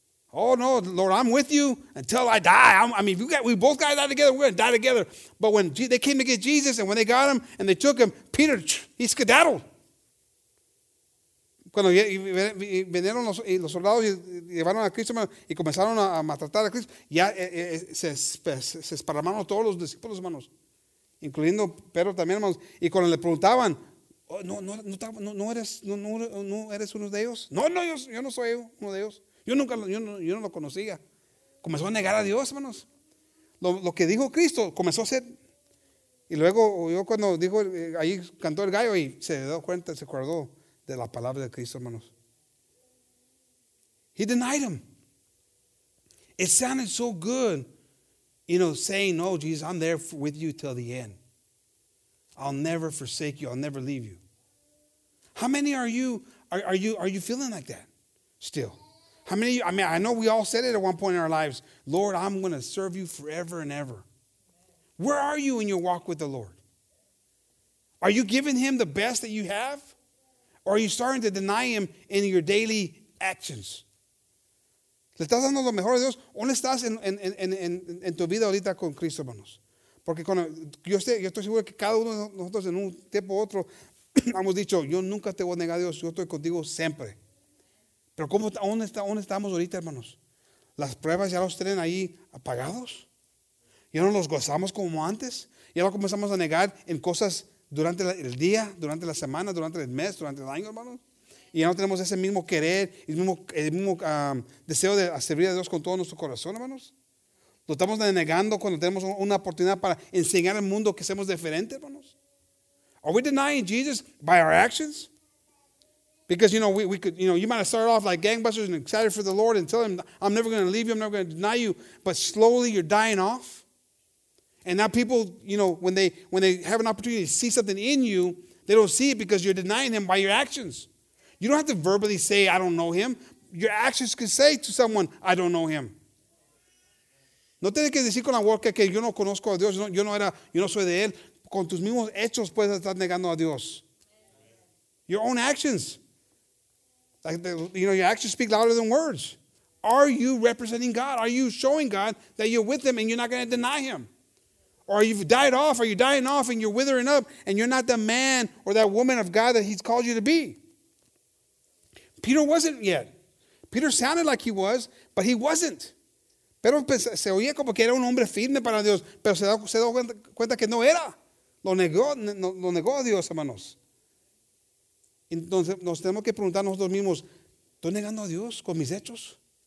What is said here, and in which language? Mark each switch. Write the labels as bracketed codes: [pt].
[en] Oh no, Lord, I'm with you until I die. We both got to die together. We're going to die together. But when they came to get Jesus and when they got him and they took him, Peter, he skedaddled. [es] Cuando vinieron los soldados y llevaron a Cristo y comenzaron a maltratar a Cristo, ya se esparramaron todos los discípulos, hermanos. Incluyendo Pedro también, hermanos. Y cuando le preguntaban, ¿no eres uno de ellos? No, yo no soy uno de ellos. Yo no lo conocía. comenzó a negar a Dios, hermanos. Lo que dijo Cristo comenzó a ser. Y luego yo cuando dijo, ahí cantó el gallo y se dio cuenta, se acordó de la palabra de Cristo, hermanos. [en] He denied him. It sounded so good, you know, saying, no, Jesus, I'm there with you till the end. I'll never forsake you. I'll never leave you. How many are you feeling like that still? How many of you, I mean, I know we all said it at one point in our lives, Lord, I'm going to serve you forever and ever. Where are you in your walk with the Lord? Are you giving him the best that you have? Or are you starting to deny him in your daily actions? [es] ¿Le estás dando lo mejor a Dios? ¿Dónde estás en tu vida ahorita con Cristo, hermanos? Porque cuando, yo estoy seguro que cada uno de nosotros en un tiempo u otro hemos dicho, yo nunca te voy a negar a Dios, yo estoy contigo siempre. Pero ¿cómo, dónde estamos ahorita, hermanos? ¿Las pruebas ya los tienen ahí apagados? ¿Ya no los gozamos como antes? ¿Ya no comenzamos a negar en cosas durante el día, durante la semana, durante el mes, durante el año, hermanos? Y ya no tenemos ese mismo querer, el mismo deseo de servir a Dios con todo nuestro corazón, hermanos. ¿Lo estamos denegando cuando tenemos una oportunidad para enseñar al mundo que somos diferentes, hermanos? [en] Are we denying Jesus by our actions? Because, you know, we could, you know, you might have started off like gangbusters and excited for the Lord and tell him, I'm never going to leave you, I'm never going to deny you. But slowly you're dying off. And now people, you know, when they have an opportunity to see something in you, they don't see it because you're denying him by your actions. You don't have to verbally say, I don't know him. Your actions can say to someone, I don't know him. [es] No tienes que decir con la boca que yo no conozco a Dios. Yo no soy de él. Con tus mismos hechos puedes estar negando a Dios. [en] Your own actions. Like the, you know, your actions speak louder than words. Are you representing God? Are you showing God that you're with him and you're not going to deny him? Or you've died off. Are you dying off and you're withering up and you're not the man or that woman of God that he's called you to be? Peter wasn't yet. Peter sounded like he was, but he wasn't. [es] Pero se oía como que era un hombre firme para Dios, pero se dio cuenta que no era. Lo negó a Dios, hermanos. Entonces nos tenemos que preguntar nosotros mismos, ¿estoy negando a Dios con mis hechos?